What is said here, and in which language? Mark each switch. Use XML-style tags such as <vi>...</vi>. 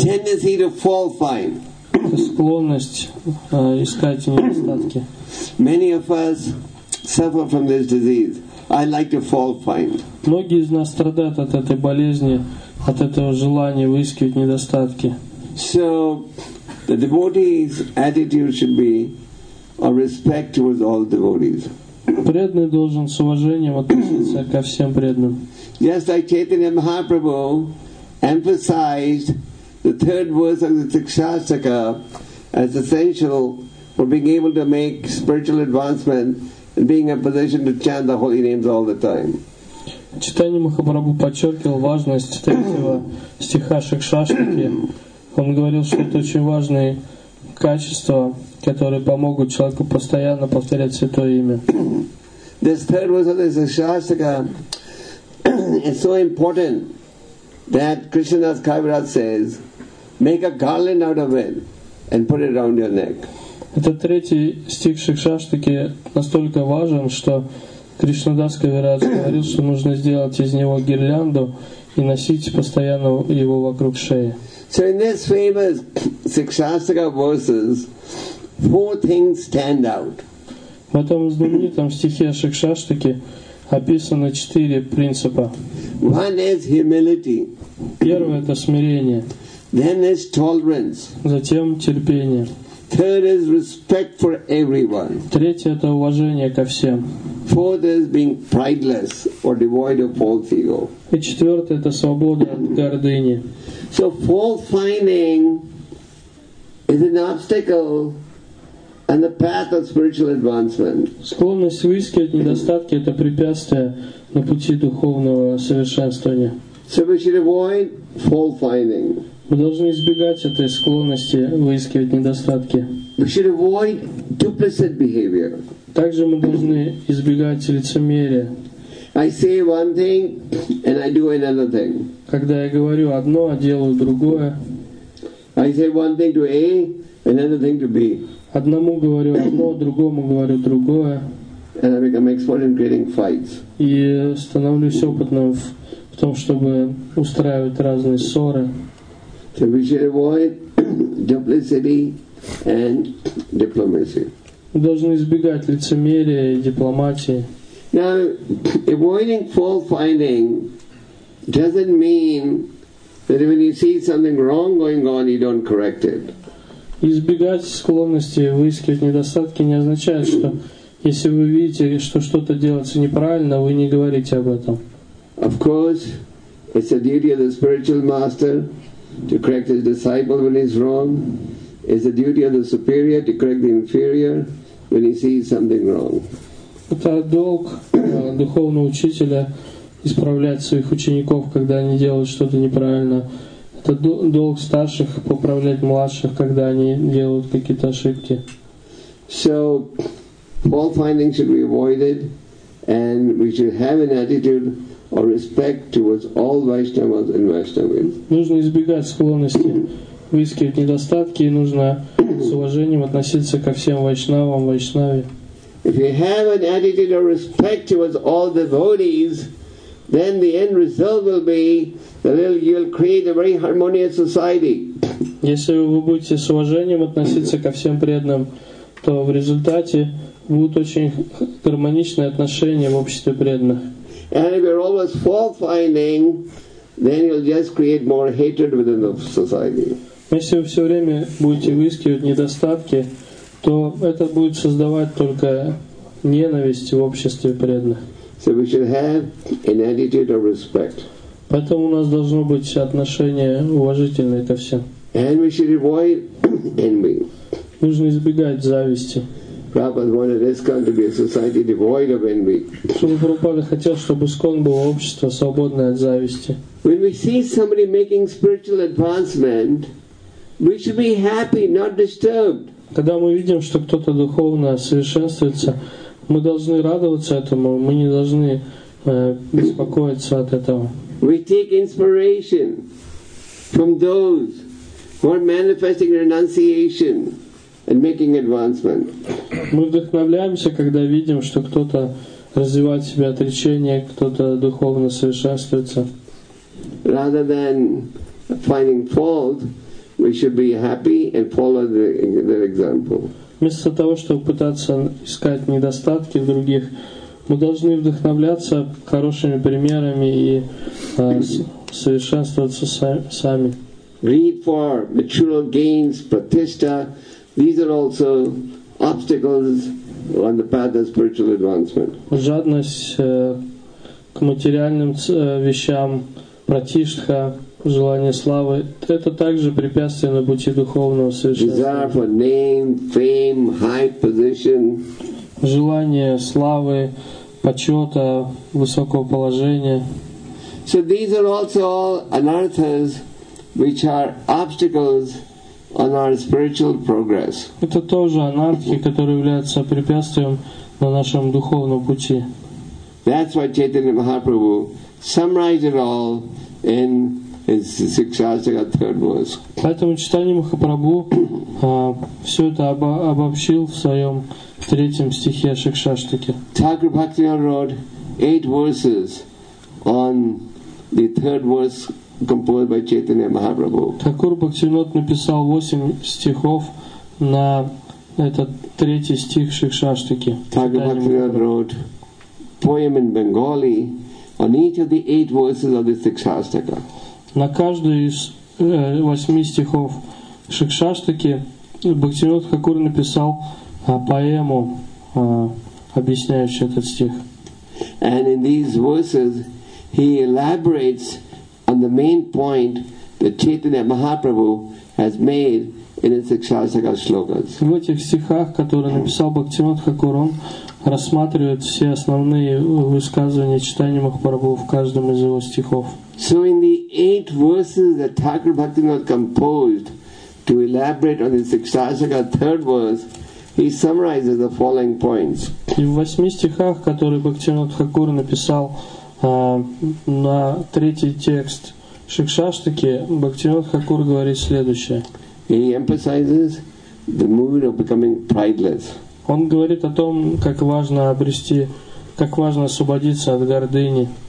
<en>Tendency to fault find.</en> <ru>Склонность искать недостатки.</ru> <en>Many of us suffer from this disease. I like to fault find.</en> <ru>Многие из нас страдают от этой болезни, от этого желания выискивать недостатки.</ru> <en>So the devotee's attitude should be a respect towards all devotees.</en> <ru>Преданный должен с уважением относиться ко всем преданным.</ru> <en>Just like Chaitanya Mahaprabhu emphasized the third verse of the Shikshastaka as essential for being able to make spiritual advancement and being in a position to chant the holy names all the time.</en> <ru>Chaitanya Mahaprabhu подчеркивал важность третьего стиха Шикшаштаки. Он говорил, что это очень важный качества, которые помогут человеку постоянно повторять Святое Имя.</ru> <en>This third verse of the Shikshastaka is so important that Krishnadas Kaviraj says, make a garland out of it and put it around your neck.</en> <ru>Этот третий стих Шикшаштаки настолько важен, что Кришнадас Кавирадж говорил, что нужно сделать из него гирлянду и носить постоянно его вокруг шеи.</ru> <en>So in this famous Shikshastaka verses, four things stand out.</en> <ru>В этом знаменитом стихе Шикшаштаки описаны четыре принципа.</ru> <en>One is humility.</en> <ru>Первое — это смирение.</ru> <en>Then is tolerance.</en> <ru>Затем терпение.</ru> <en>Third is respect for everyone.</en> <ru>Третье — это уважение ко всем.</ru> <en>Fourth is being prideless or devoid of false ego.</en> <ru>И четвертое — это свобода от гордыни.</ru> <en>So fault finding is an obstacle and the path of spiritual advancement.</en> <ru>Склонность выискивать недостатки – это препятствие на пути духовного совершенствования.</ru> <en>So we should avoid fault finding.</en> <ru>Мы должны избегать этой склонности выискивать недостатки.</ru> <en>We should avoid duplicit behavior.</en> <ru>Также мы должны избегать лицемерия.</ru> <en>I say one thing and I do another thing.</en> <ru>Когда я говорю одно, а делаю другое.</ru> <en>I say one thing to A and another thing to B.</en> <ru>Одному говорю одно, другому говорю другое.</ru> <en>And I become expert in creating fights.</en> <ru>И становлюсь опытным в том, чтобы устраивать разные ссоры.</ru> <en>So we should avoid duplicity and diplomacy.</en> <ru>Мы должны избегать лицемерия и дипломатии.</ru> <en>Now, avoiding fault finding doesn't mean that when you see something wrong going on, you don't correct it.</en> <ru>Избегать склонности выискивать недостатки не означает, что если вы видите, что что-то делается неправильно, вы не говорите об этом.</ru> <en>Of course, it's the duty of the spiritual master to correct his disciple when he's wrong. It's the duty of the superior to correct the inferior when he sees something wrong.</en> <ru>Это долг духовного учителя исправлять своих учеников, когда они делают что-то неправильно. Это долг старших поправлять младших, когда они делают какие-то ошибки.</ru> <en>So, fault finding should be avoided, and we should have an attitude of respect towards all Vaishnavas and Vaishnavas.</en> <ru>Нужно избегать склонности выискивать недостатки, и нужно с уважением относиться ко всем Вайшнавам, Вайшнаве.</ru> <en>If you have an attitude of respect towards all devotees, then the end result will be that you'll create a very harmonious society.</en> <ru>Если вы будете с уважением относиться ко всем преданным, то в результате будут очень гармоничные отношения в обществе преданных.</ru> <en>And if you're always fault-finding, then you'll just create more hatred within the society.</en> <ru>Если вы все время будете выискивать недостатки, то это будет создавать только ненависть в обществе преданных.</ru> <en>So we should have an attitude of respect.</en> <ru>Поэтому у нас должно быть отношение уважительное ко всем.</ru> <en>And we should avoid envy.</en> <ru>Нужно избегать зависти.</ru> <en>Prabhupada wanted ISKCON to be a society devoid of envy.</en> <ru>Шрила Прабхупада хотел, чтобы ИСККОН было общество, свободное от зависти.</ru> <en>When we see somebody making spiritual advancement, we should be happy, not disturbed.</en> <ru>Когда мы видим, что кто-то духовно совершенствуется, мы должны радоваться этому, мы не должны беспокоиться от этого.</ru> <en>We take inspiration from those who are manifesting renunciation and making advancement.</en> <ru>Мы вдохновляемся, когда видим, что кто-то развивает себя отречение, кто-то духовно совершенствуется.</ru> <en>Rather than finding fault, we should be happy and follow their example.</en> <ru>Вместо того, чтобы пытаться искать недостатки в других, мы должны вдохновляться хорошими примерами и совершенствоваться сами.</ru> <en>Greed for material gains, pratishtha, these are also obstacles on the path of spiritual advancement.</en> <ru>Жадность к материальным вещам, пратишха, желание славы – это также препятствие на пути духовного совершенствования.</ru> <en>Desire for name, fame, high position.</en> <ru>Желание славы, почета, высокого положения.</ru> <en>So these are also all anarthas, which are obstacles on our spiritual progress.</en> <ru>Это тоже анархи, которые являются препятствием на нашем духовном пути.</ru> <en>That's why Chaitanya Mahaprabhu summarized it all in</en> <ru>Поэтому Чайтанья Махапрабху все это обобщил в своем третьем стихе Шикшаштаке.</ru> <en>Thakur Bhaktivinoda wrote 8 verses on the third verse composed by Chaitanya Mahaprabhu.</en> <ru>Thakur Bhaktivinoda написал 8 стихов на этот третий стих Шикшаштаке.</ru> <en>Thakur Bhaktivinoda wrote poem in Bengali on each of the 8 verses of the Shikshastaka.</en> <ru>На каждую из 8 стихов Шикшаштаки Бхактивинод Хакур написал поэму, объясняющую этот стих.</ru> <en>And in these verses he elaborates on the main point that Chaitanya Mahaprabhu has made in its Akshasaka shlokas.</en> <ru>В этих стихах, которые написал Бхактивинода Курум, рассматривает все основные высказывания читания Махапрабху в каждом из его стихов.</ru> <en>So in the 8 verses that Thakur Bhaktivinoda composed to elaborate on his Akshasaka third verse, he summarizes the following points.</en> <ru>И в 8 стихах, которые Бхактивинода Курум написал на третий текст Шикшаштаки, Бхактивинода Курум говорит следующее.</ru> <en>He emphasizes the mood of becoming prideless.</en> <ru>Он говорит о том, как важно обрести, как важно освободиться от гордыни.</ru>